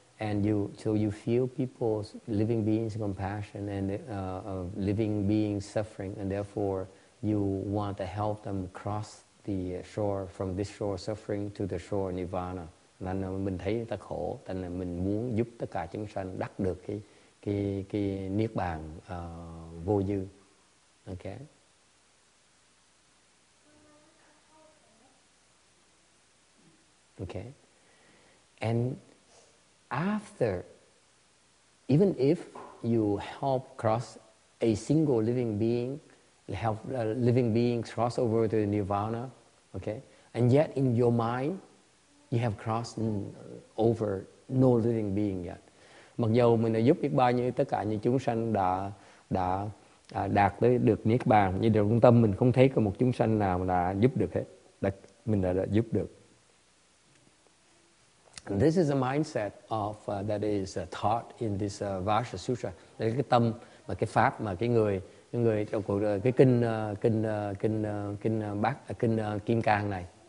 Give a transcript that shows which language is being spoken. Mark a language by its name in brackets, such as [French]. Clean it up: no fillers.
[English] And you, so you feel people's living beings' compassion and of living beings' suffering, and therefore you want to help them cross the shore from this shore suffering to the shore nirvana. [Vietnamese] Nên mình thấy người ta khổ, nên mình muốn giúp tất cả chúng sanh đắc được cái niết bàn vô dư. [English] Okay. Okay. And after, even if you help cross a single living being, help a living being cross over to nirvana, okay, and yet in your mind, you have crossed over no living being yet. [Vietnamese] Mặc dù mình đã giúp biết bao nhiêu tất cả những chúng sanh đã đạt tới được niết bàn, nhưng trong tâm mình không thấy có một chúng sanh nào đã giúp được hết. Mình đã giúp được. [English] This is a mindset of that is taught in this Vajra Sutra. [Vietnamese] Đây là cái tâm mà cái pháp mà cái người trong cuộc cái kinh Bát kinh Kim Cang này.